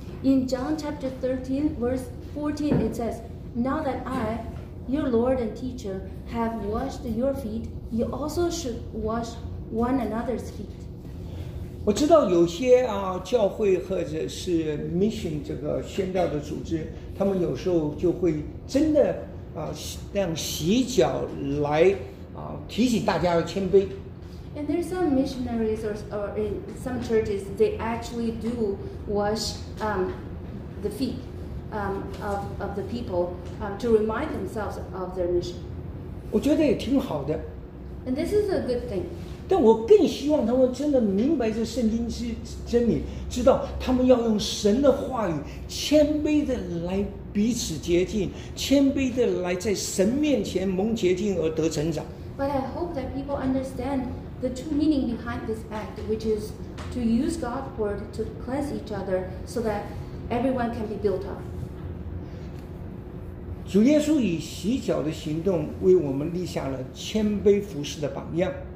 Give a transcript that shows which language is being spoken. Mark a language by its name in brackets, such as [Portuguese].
[English] In John chapter 13, verse 14, it says, Now that I, your Lord and teacher, have washed your feet, you also should wash one another's feet. [Chinese] 我知道有些啊教会或者是 mission 这个宣道的组织，他们有时候就会真的啊让洗脚来啊提醒大家要谦卑。 [English] And there's some missionaries or in some churches, they actually do wash the feet of the people to remind themselves of their mission. [Chinese] 我觉得也挺好的。 [English] And this is a good thing. [Chinese] 但我更希望他们真的明白这圣经之真理，知道他们要用神的话语谦卑的来彼此洁净，谦卑的来在神面前蒙洁净而得成长。 [English] But I hope that people understand the true meaning behind this act, which is to use God's word to cleanse each other so that everyone can be built up. [Chinese] 主耶稣以洗脚的行动为我们立下了谦卑服事的榜样。